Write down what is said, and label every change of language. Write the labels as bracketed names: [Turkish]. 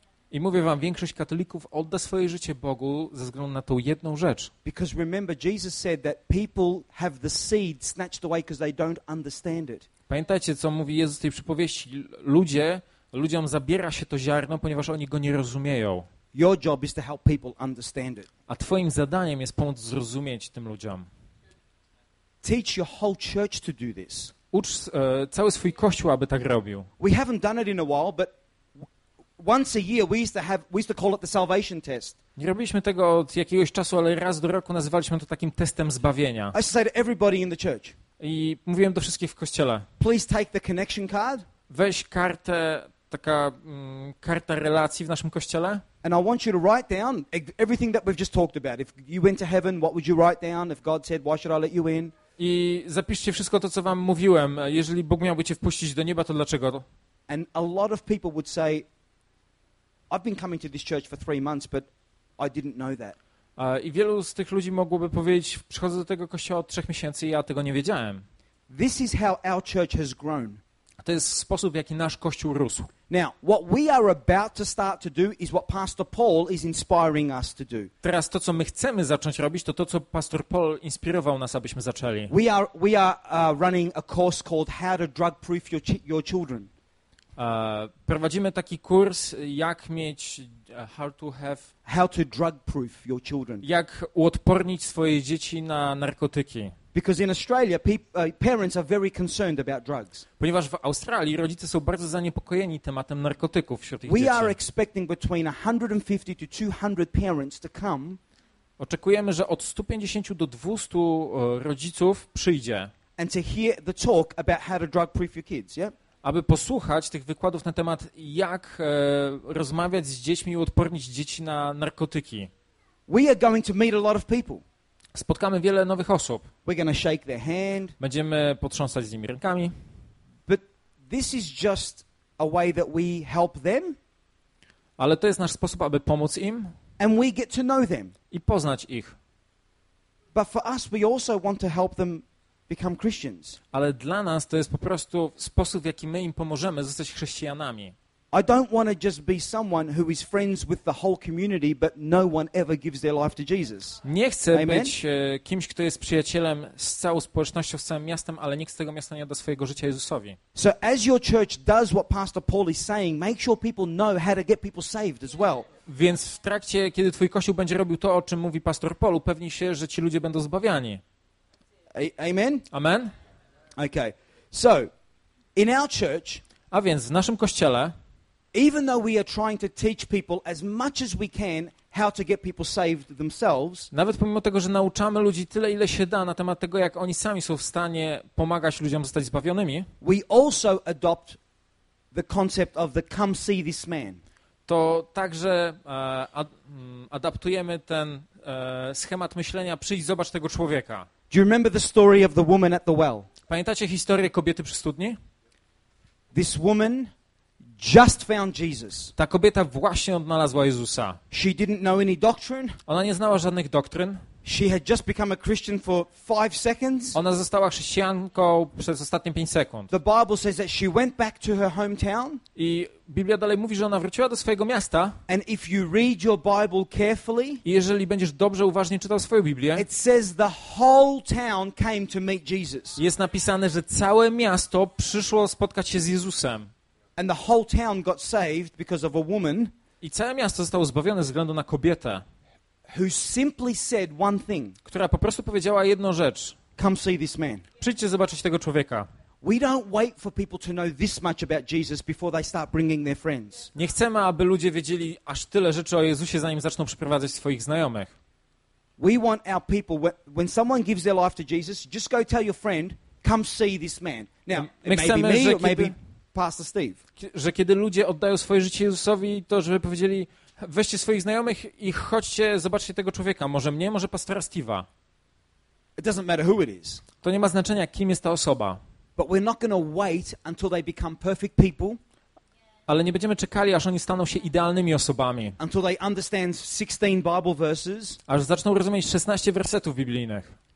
[Polish] I mówię wam, większość katolików odda swoje życie Bogu ze względu na tą jedną rzecz. [English] Because remember, Jesus said that people have the seed snatched away because they don't understand it. [Polish] Pamiętajcie, co mówi Jezus w tej przypowieści? Ludziom zabiera się to ziarno, ponieważ oni go nie rozumieją. [English] Your job is to help people understand it. [Polish] A twoim zadaniem jest pomóc zrozumieć tym ludziom. [English] Teach your whole church to do this. [Polish] Ucz cały swój kościół, aby tak robił. [English] We haven't done it in a while, but once a year we used to call it the salvation test. [Polish] Nie robiliśmy tego od jakiegoś czasu, ale raz do roku nazywaliśmy to takim testem zbawienia. [English] I said to everybody in the church. [Polish] I mówiłem do wszystkich w kościele. [English] Please take the connection card. [Polish] Weź kartę, taka karta relacji w naszym kościele. [English] And I want you to write down everything that we've just talked about. If you went to heaven, what would you write down? If God said, why should I let you in? [Polish] I zapiszcie wszystko to, co wam mówiłem. Jeżeli Bóg miałby cię wpuścić do nieba, to dlaczego? [English] And a lot of people would say, I've been coming to this church for 3 months, but I didn't know that. [Polish] I wielu z tych ludzi mogłoby powiedzieć, przychodzę do tego kościoła od 3 miesięcy i ja tego nie wiedziałem. [English] This is how our church has grown. [Polish] To jest sposób, w jaki nasz kościół rósł. [English] Now, what we are about to start to do is what Pastor Paul is inspiring us to do. [Polish] Teraz to, co my chcemy zacząć robić, to, co Pastor Paul inspirował nas, abyśmy zaczęli. [English] We are running a course called How to Drug Proof Your Children. [Polish] Prowadzimy taki kurs, jak mieć [English] how to drug proof your children. [Polish] Jak uodpornić swoje dzieci na narkotyki. [English] Because in Australia, parents are very concerned about drugs. [Polish] Ponieważ w Australii rodzice są bardzo zaniepokojeni tematem narkotyków wśród ich [English] we [Polish] dzieci. [English] We are expecting between 150 to 200 parents to come. [Polish] Oczekujemy, że od 150 do 200 rodziców przyjdzie. [English] And to hear the talk about how to drug-proof your kids, yeah? [Polish] Aby posłuchać tych wykładów na temat, jak rozmawiać z dziećmi i uodpornić dzieci na narkotyki. [English] We are going to meet a lot of people. [Polish] Spotkamy wiele nowych osób. [English] We're gonna shake their hand. [Polish] Będziemy potrząsać z nimi rękami. [English] But this is just a way that we help them. [Polish] Ale to jest nasz sposób, aby pomóc im. [English] And we get to know them. [Polish] I poznać ich. [English] But for us, we also want to help them become Christians. [Polish] Ale dla nas to jest po prostu sposób, w jaki my im pomożemy zostać chrześcijanami. [English] I don't want to just be someone who is friends with the whole community, but no one ever gives their life to Jesus. [Polish] Nie chcę być kimś, kto jest przyjacielem z całą społecznością, z całym miastem, ale nikt z tego miasta nie da swojego życia Jezusowi. [English] So as your church does what Pastor Paul is saying, make sure people know how to get people saved as well. [Polish] Więc w trakcie, kiedy twój kościół będzie robił to, o czym mówi Pastor Paul, upewnij się, że ci ludzie będą zbawiani. [English] Amen. [Polish] Amen. [English] Okay. So, in our church, [Polish] a więc w naszym kościele, [English] even though we are trying to teach people as much as we can how to get people saved themselves, [Polish] nawet pomimo tego, że nauczamy ludzi tyle, ile się da na temat tego, jak oni sami są w stanie pomagać ludziom zostać zbawionymi, [English] we also adopt the concept of the come see this man. [Polish] To także adaptujemy ten schemat myślenia przyjdź zobacz tego człowieka. [English] Do you remember the story of the woman at the well? [Polish] Pamiętacie historię kobiety przy studni? [English] This woman just found Jesus. [Polish] Ta kobieta właśnie odnalazła Jezusa. [English] She didn't know any doctrine. [Polish] Ona nie znała żadnych doktryn. [English] She had just become a Christian for 5 seconds. [Polish] Ona została chrześcijanką przez ostatnie 5 sekund. [English] The Bible says that she went back to her hometown. [Polish] I Biblia dalej mówi, że ona wróciła do swojego miasta. [English] And if you read your Bible carefully, [Polish] i jeżeli będziesz dobrze uważnie czytał swoją Biblię, [English] it says the whole town came to meet Jesus. [Polish] Jest napisane, że całe miasto przyszło spotkać się z Jezusem. [English] And the whole town got saved because of a woman. [Polish] I całe miasto zostało zbawione ze względu na kobietę. [English] Who simply said one thing. [Polish] Która po prostu powiedziała jedną rzecz. [English] Come see this man. [Polish] Przyjdźcie zobaczyć tego człowieka. [English] We don't wait for people to know this much about Jesus before they start bringing their friends. [Polish] Nie chcemy, aby ludzie wiedzieli aż tyle rzeczy o Jezusie, zanim zaczną przyprowadzać swoich znajomych. [English] We want our people when someone gives their life to Jesus, just go tell your friend, come see this man. Now, maybe Pastor Steve. [Polish] Że kiedy ludzie oddają swoje życie Jezusowi, to żeby powiedzieli, weźcie swoich znajomych i chodźcie, zobaczcie tego człowieka. Może mnie, może pastora Steve'a. [English] It doesn't matter who it is. [Polish] To nie ma znaczenia, kim jest ta osoba. [English] But we're not gonna wait until they become perfect people. [Polish] Ale nie będziemy czekali, aż oni staną się idealnymi osobami. [English] Until they understand 16 Bible verses. [Polish] Aż zaczną rozumieć 16 wersetów biblijnych.